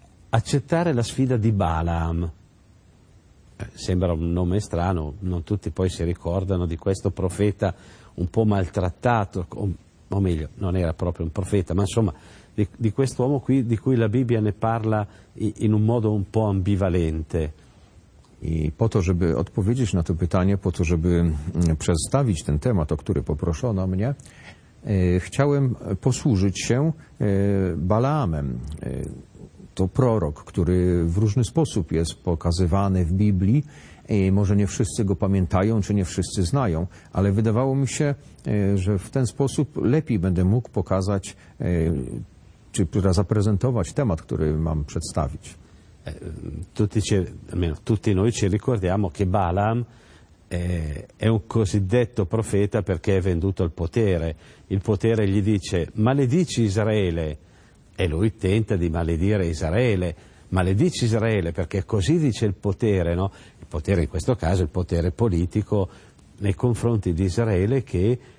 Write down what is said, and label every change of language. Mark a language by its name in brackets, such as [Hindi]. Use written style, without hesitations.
[Italian] Accettare la sfida di Balaam. Sembra un nome strano, non tutti poi si ricordano di questo profeta un po' maltrattato, o meglio, non era proprio un profeta, ma insomma, di questo uomo qui di cui la Bibbia ne parla in un modo un po' ambivalente. [Polish] I po to, żeby odpowiedzieć na to pytanie, po to, żeby przedstawić ten temat, o który poproszono mnie, chciałem posłużyć się Balaamem. To prorok, który w różny sposób jest pokazywany w Biblii. Może nie wszyscy go pamiętają, czy nie wszyscy znają, ale wydawało mi się, że w ten sposób lepiej będę mógł pokazać, czy zaprezentować temat, który mam przedstawić. [Italian] Tutti noi ci ricordiamo che Balaam è un cosiddetto profeta perché è venduto il potere. Il potere gli dice: maledici Israele. E lui tenta di maledire Israele. Maledici Israele, perché così dice il potere, no? Il potere in questo caso è il potere politico nei confronti di Israele, che